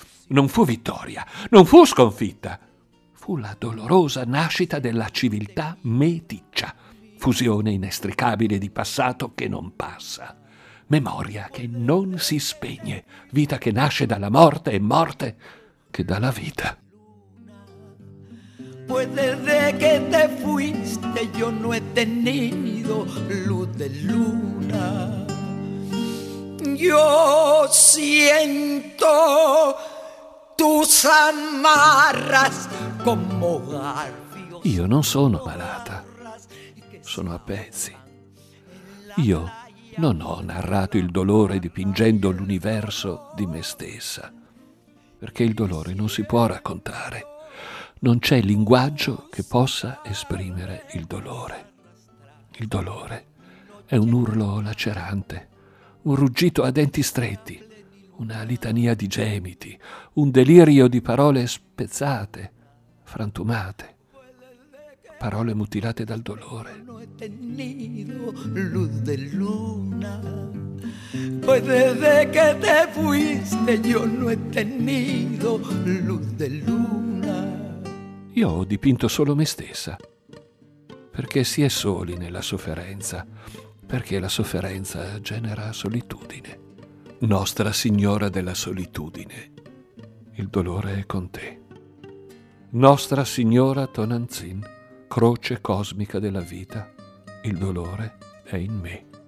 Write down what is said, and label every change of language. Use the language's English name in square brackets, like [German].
[Italian] Non fu vittoria, non fu sconfitta. Fu la dolorosa nascita della civiltà meticcia, fusione inestricabile di passato che non passa, memoria che non si spegne, vita che nasce dalla morte e morte che dalla vita. [Spanish] Pues desde que te fuiste yo no he tenido luz de luna. Yo siento tus amarras como garfio. [Italian] Io non sono malata, sono a pezzi. Io non ho narrato il dolore dipingendo l'universo di me stessa, perché il dolore non si può raccontare. Non c'è linguaggio che possa esprimere il dolore. Il dolore è un urlo lacerante, un ruggito a denti stretti, una litania di gemiti, un delirio di parole spezzate, frantumate, parole mutilate dal dolore. [Spanish] Luz de luna, pues desde que te fuiste yo no he tenido luz de luna. [Italian] Io ho dipinto solo me stessa, perché si è soli nella sofferenza, perché la sofferenza genera solitudine. Nostra Signora della solitudine, il dolore è con te. Nostra Signora Tonantzin, croce cosmica della vita, il dolore è in me.